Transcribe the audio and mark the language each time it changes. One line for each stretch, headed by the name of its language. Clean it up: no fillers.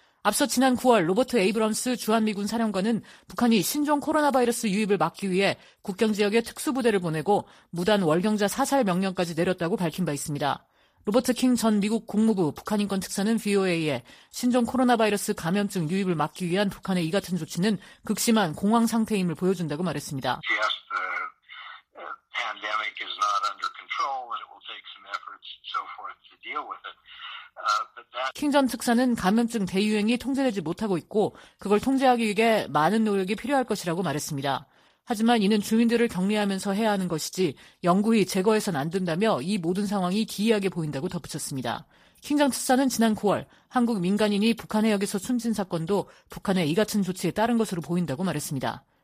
Korean: 앞서 지난 9월 로버트 에이브럼스 주한미군 사령관은 북한이 신종 코로나 바이러스 유입을 막기 위해 국경 지역에 특수부대를 보내고 무단 월경자 사살 명령까지 내렸다고 밝힌 바 있습니다. 로버트 킹 전 미국 국무부 북한인권특사는 VOA에 신종 코로나 바이러스 감염증 유입을 막기 위한 북한의 이 같은 조치는 극심한 공황 상태임을 보여준다고 말했습니다.
English: Yes, the pandemic is not under control and it will take some efforts and so forth to deal with it.
Korean: 킹 전 특사는 감염증 대유행이 통제되지 못하고 있고 그걸 통제하기 위해 많은 노력이 필요할 것이라고 말했습니다. 하지만 이는 주민들을 격리하면서 해야 하는 것이지 영구히 제거해서는 안 된다며 이 모든 상황이 기이하게 보인다고 덧붙였습니다. 킹 전 특사는 지난 9월 한국 민간인이 북한 해역에서 숨진 사건도 북한의 이 같은 조치에 따른 것으로 보인다고 말했습니다.